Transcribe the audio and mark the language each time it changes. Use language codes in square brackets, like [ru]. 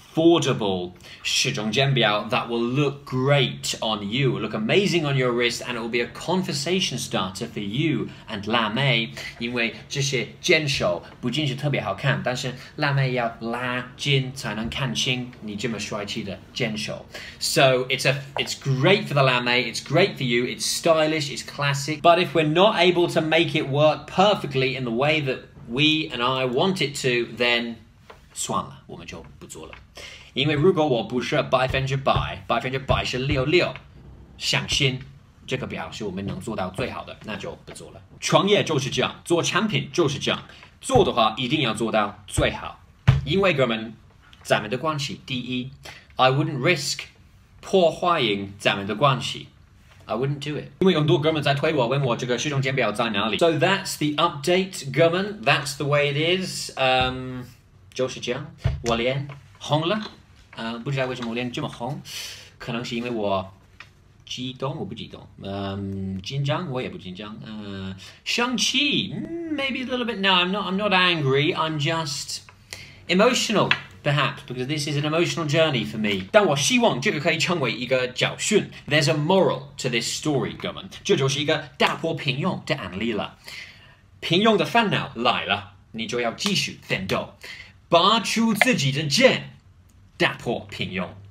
[en] affordable 石中剑表 that will look great on you, look amazing on your wrist, and it will be a conversation starter for you and 辣妹， [zh] 因为这些剑手不仅是特别好看，但是辣妹要拉筋才能看清你这么帅气的剑手。 [en] So it's great for the 辣妹, it's great for you, it's stylish, it's classic. But if we're not able to make it work perfectly in the way that we and I want it to, then... [zh] 算了，我们就不做了。因为如果我不是百分之百，百分之百是六六，相信这个表是我们能做到最好的，那就不做了。创业就是这样，做产品就是这样，做的话一定要做到最好。因为哥们，咱们的关系，第一 ， [en] I wouldn't risk [zh] 破坏咱们的关系。 [en] I wouldn't do it. [zh] 因为很多哥们在推我，问我这个时钟剑表在哪里。 [en] So that's the update, 哥们。That's the way it is. [zh] 就是这样，我脸红了，不知道为什么我脸这么红，可能是因为我激动，我不激动，紧张，我也不紧张，生气 ， [en] maybe a little bit. No, I'm not angry. I'm just emotional, perhaps because this is an emotional journey for me. [zh] 但我希望这个可以成为一个教训。 [en] There's a moral to this story, [zh] 哥们，这就是一个打破平庸的案例了。平庸的烦恼来了，你就要继续奋斗。拔出自己的剑，打破平庸。